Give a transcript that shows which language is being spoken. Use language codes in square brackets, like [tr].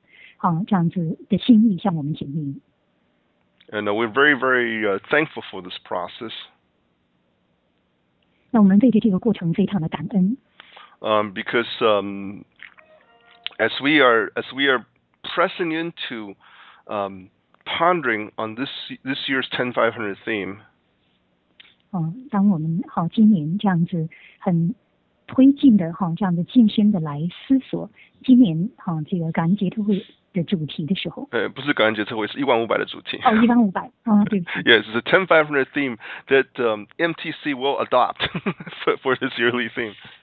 [zh] 那主就把他向着职场的一个更深的这样子的心意向我们显明。 [en] And we're very, very thankful for this process. [zh] 那我们对着这个过程非常的感恩。 [en] Because as we are pressing into pondering on this year's 10500 theme. [zh] 当我们今年这样子很推进的这样的近身的来思索今年这个感恩节特会的主题的时候。不是感恩节特会, 是1500的主题。 1500, 对不起。 [en] Yes, it's a 10500 theme that MTC will adopt for this yearly theme.